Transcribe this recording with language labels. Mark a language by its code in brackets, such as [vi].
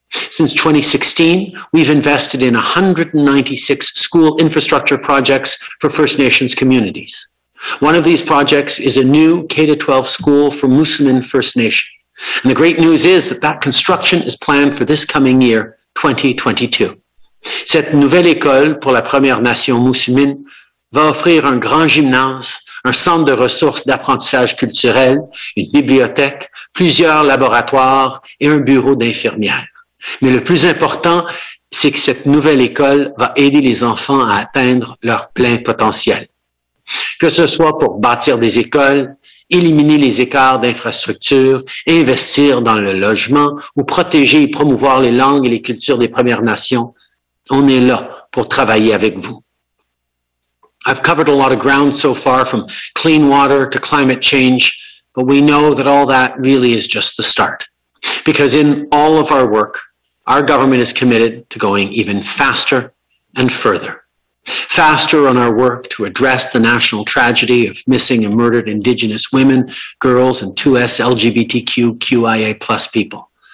[en] Since 2016, we've invested in 196 school infrastructure projects for First Nations communities. One of these projects is a new K-12 school for Moosomin First Nation. And the great news is that that construction is planned for this coming year, 2022. [fr] Cette nouvelle école pour la Première Nation Moosomin va offrir un grand gymnase, un centre de ressources d'apprentissage culturel, une bibliothèque, plusieurs laboratoires et un bureau d'infirmière. Mais le plus important, c'est que cette nouvelle école va aider les enfants à atteindre leur plein potentiel. Que ce soit pour bâtir des écoles, éliminer les écarts d'infrastructures, investir dans le logement ou protéger et promouvoir les langues et les cultures des Premières Nations, on est là pour travailler avec vous. [en] I've covered a lot of ground so far, from clean water to climate change, but we know that all that really is just the start. Because in all of our work, our government is committed to going even faster and further. Faster on our work to address the national tragedy of missing and murdered Indigenous women, girls, and 2S LGBTQIA plus people.